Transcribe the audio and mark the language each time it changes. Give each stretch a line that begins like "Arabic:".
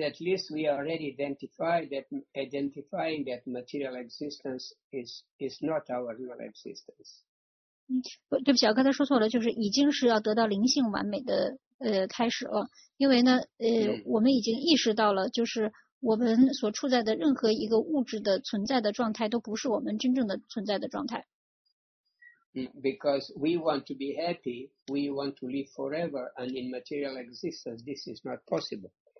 English: at least we already identifying that material existence is not our real existence.
Chinese: 对不起，我刚才说错了，就是已经是要得到灵性完美的开始了，因为呢，我们已经意识到了，就是。我们所处在的任何一个物质的存在的状态都不是我们真正的存在的状态。
English: Because we want to be happy, we want to live forever, and in material existence, this is not possible.